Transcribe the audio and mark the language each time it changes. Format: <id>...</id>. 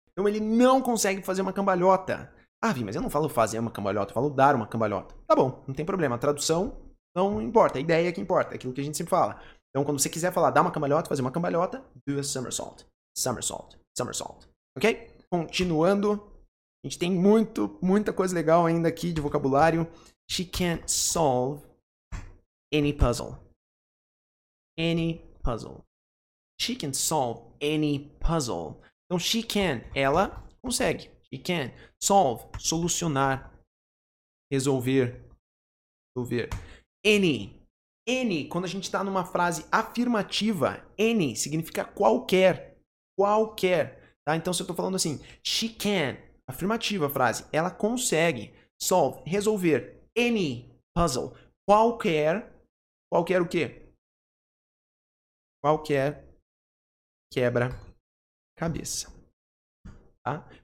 <pt>Então, ele não consegue fazer uma cambalhota. Ah, Vi, mas eu não falo fazer uma cambalhota, eu falo dar uma cambalhota. Tá bom, não tem problema. A tradução não importa. A ideia é que importa. É aquilo que a gente sempre fala. Então, quando você quiser falar dar uma cambalhota, fazer uma cambalhota,</pt> <en>do a somersault.</en> <pt>Somersault. Somersault. Ok? Continuando. A gente tem muito, muita coisa legal ainda aqui de vocabulário.</pt> <en>She can't solve any puzzle. Any puzzle. She can solve any puzzle.</en> <pt>Então,</pt> <en>she can,</en> <pt>ela consegue. She can solve, solucionar, resolver, resolver. Any, quando a gente está numa frase afirmativa, any significa qualquer, qualquer. Tá? Então, se eu estou falando assim,</pt> <en>she can,</en> <pt>afirmativa a frase, ela consegue solve, resolver, any puzzle. Qualquer o quê? Qualquer quebra-cabeça. Tá?</pt>